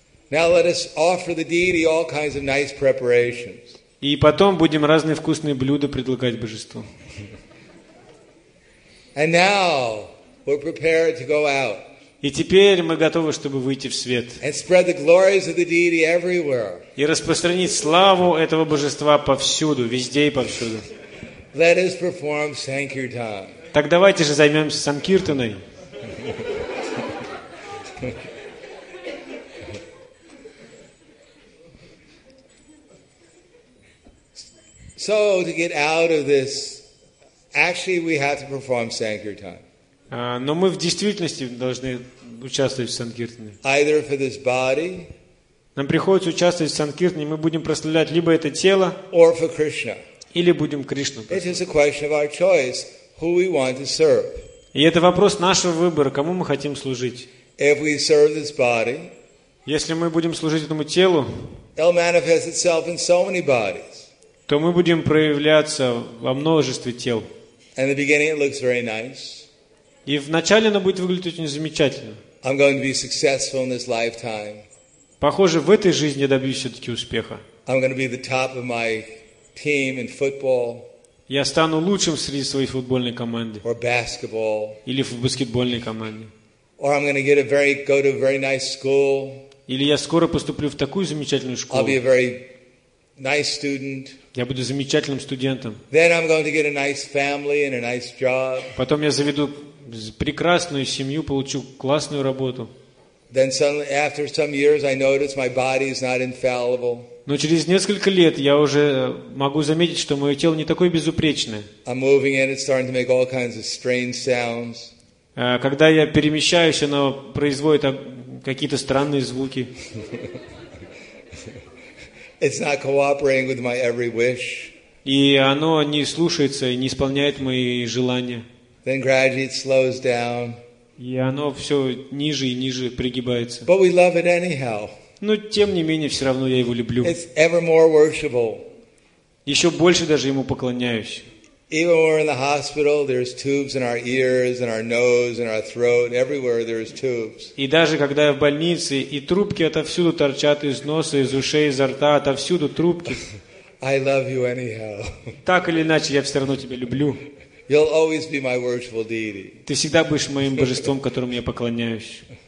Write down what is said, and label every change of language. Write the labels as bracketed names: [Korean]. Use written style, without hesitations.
[English] Now let us offer the deity all kinds of nice preparations. [Russian] И потом будем разные вкусные блюда предлагать божеству. [English] And now we're prepared to go out. [Russian] И теперь мы готовы, чтобы выйти в свет. [English] And spread the glories of the deity everywhere. [Russian] И распространить славу этого божества повсюду, везде и повсюду. [English] Let us perform sankirtan. [Russian] Так давайте же займемся санкиртаной. [English] So to get out of this, actually we have to perform sankirtan. [Russian] Но мы в действительности должны участвовать в санкиртане. [English] Either for this body, [Russian] нам приходится участвовать в санкиртане, мы будем прославлять либо это тело, [English] or for Krishna. [Russian] Или будем Кришну прославлять. [English] It is a question of our choice, who we want to serve. [Russian] И это вопрос нашего выбора, кому мы хотим служить. [English] If we serve this body, [Russian] если мы будем служить этому телу, [English] it'll manifest itself in so many bodies. [Russian] То мы будем проявляться во множестве тел. [English] In the beginning it looks very nice. [Russian] И вначале оно будет выглядеть очень замечательно. [English] I'm going to be successful in this lifetime. [Russian] Похоже, в этой жизни я добьюсь все-таки успеха. [English] I'm going to be the top of my team in football. [Russian] Я стану лучшим среди своей футбольной команды. [English] Or basketball. [Russian] Или в баскетбольной команде. [English] Or I'm going to go to a very nice school. [Russian] Или я скоро поступлю в такую замечательную школу. [English] I'll be a very nice student. [Russian] Я буду замечательным студентом. [English] Then I'm going to get a nice family and a nice job. [Russian] Потом я заведу прекрасную семью, получу классную работу. [English] Then suddenly, after some years, I notice my body is not infallible. [Russian] Но через несколько лет я уже могу заметить, что мое тело не такое безупречное. [English] I'm moving and it's starting to make all kinds of strange sounds. [Russian] Когда я перемещаюсь, оно производит какие-то странные звуки. [English] It's not cooperating with my every wish. [Russian] И оно не слушается и не исполняет мои желания. [English] Then gradually it slows down. [Russian] И оно все ниже и ниже пригибается. [English] But we love it anyhow. [Russian] Но тем не менее все равно я его люблю. [English] It's ever more worshipful. [Russian] Еще больше даже ему поклоняюсь. [English] Even when we're in the hospital, there's tubes in our ears, in our nose, in our throat. Everywhere there's tubes. [Russian] И даже когда я в больнице, и трубки отовсюду торчат из носа, из ушей, изо рта, отовсюду трубки. [English] I love you anyhow. [Russian] Так или иначе, я все равно тебя люблю. [English] You'll always be my worshipful deity. [Russian] Ты всегда будешь моим божеством, которому я поклоняюсь.